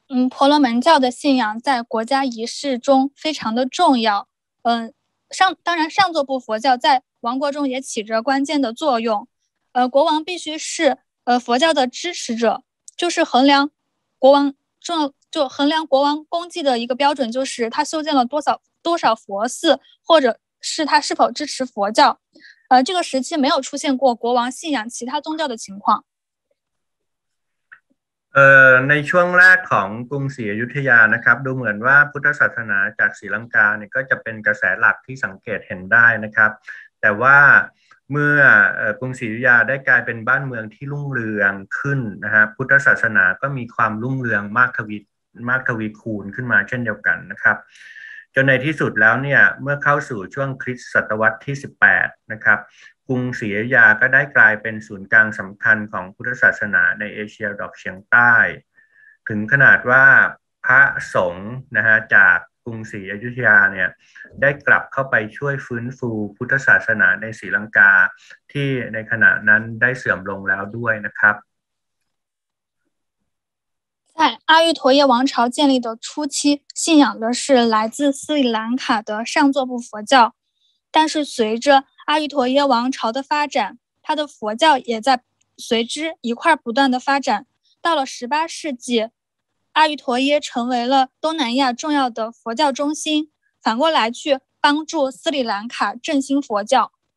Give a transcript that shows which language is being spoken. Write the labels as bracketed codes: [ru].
[zh] 婆罗门教的信仰在国家仪式中非常的重要上座部佛教在王国中也起着关键的作用国王必须是佛教的支持者就是衡量国王就衡量国王功绩的一个标准就是他修建了多少佛寺或者是他是否支持佛教这个时期没有出现过国王信仰其他宗教的情况 [th] ในช่วงแรกของกรุงศรีอยุธยานะครับดูเหมือนว่าพุทธศาสนาจากศรีลังกาเนี่ยก็จะเป็นกระแสหลักที่สังเกตเห็นได้นะครับแต่ว่าเมื่อกรุงศรีอยุธยาได้กลายเป็นบ้านเมืองที่รุ่งเรืองขึ้นนะฮะพุทธศาสนาก็มีความรุ่งเรืองมาก ทวีคูณขึ้นมาเช่นเดียวกันนะครับจนในที่สุดแล้วเนี่ยเมื่อเข้าสู่ช่วงคริสต์ศตวรรษที่18นะครับกรุงศรีอยุธยาก็ได้กลายเป็นศูนย์กลางสำคัญของพุทธศาสนาในเอเชียดอกเฉียงใต้ถึงขนาดว่าพระสงฆ์นะฮะจากกรุงศรีอยุธยาเนี่ยได้กลับเข้าไปช่วยฟื้นฟูพุทธศาสนาในศรีลังกาที่ในขณะนั้นได้เสื่อมลงแล้วด้วยนะครับ [zh] 在阿育陀耶王朝建立的初期，信仰的是来自斯里兰卡的上座部佛教。但是随着阿育陀耶王朝的发展，他的佛教也在随之一块不断的发展。到了18世纪，阿育陀耶成为了东南亚重要的佛教中心，反过来去帮助斯里兰卡振兴佛教。